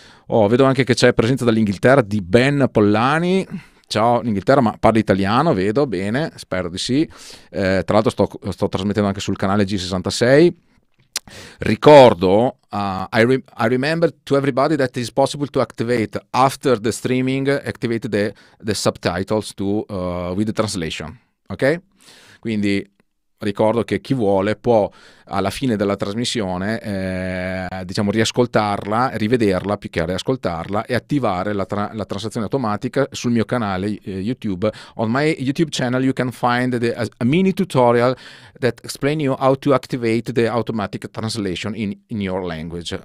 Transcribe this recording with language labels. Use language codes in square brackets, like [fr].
[it] Oh, vedo anche che c'è presenza dall'Inghilterra di Ben Pollani. Ciao Inghilterra, ma parli italiano, vedo bene, spero di sì. Tra l'altro sto trasmettendo anche sul canale G66. Ricordo, [en] I remember to everybody that it is possible to activate after the streaming, activate the subtitles with the translation. Ok? [it] Quindi ricordo che chi vuole può alla fine della trasmissione diciamo riascoltarla, rivederla più che riascoltarla e attivare la transazione automatica sul mio canale YouTube. [en] On my YouTube channel you can find a mini tutorial that explain you how to activate the automatic translation in your language.